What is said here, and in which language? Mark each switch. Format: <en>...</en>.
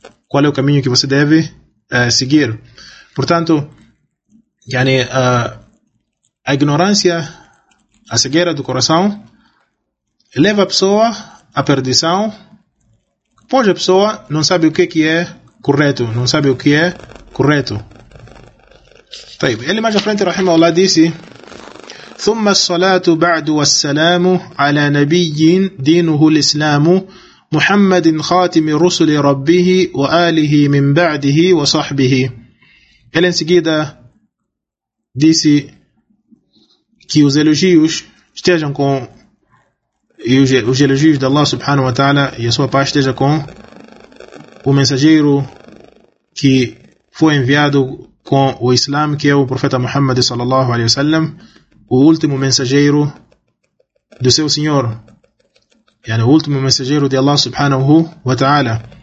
<pt>Qual é o caminho que você deve seguir? Portanto, a ignorância, a cegueira do coração, leva a pessoa à perdição, pois a pessoa não sabe o que é correto, não sabe o que é correto.</pt> <ar>طيب,</ar> <pt>ele mais à frente, rahimahullah, disse:</pt> <ar>ثم الصلاة بعد والسلام على نبي دينه الإسلام محمد خاتم رسل ربه وآله من بعده وصحبه.</ar> <pt>Ele em seguida disse que os elogios estejam com, e os elogios de Allah subhanahu wa ta'ala e a sua paz esteja com o mensageiro que foi enviado com o Islã, que é o profeta Muhammad sallallahu alaihi wasallam, o último mensageiro do seu Senhor, o último mensageiro de Allah subhanahu wa ta'ala.</pt>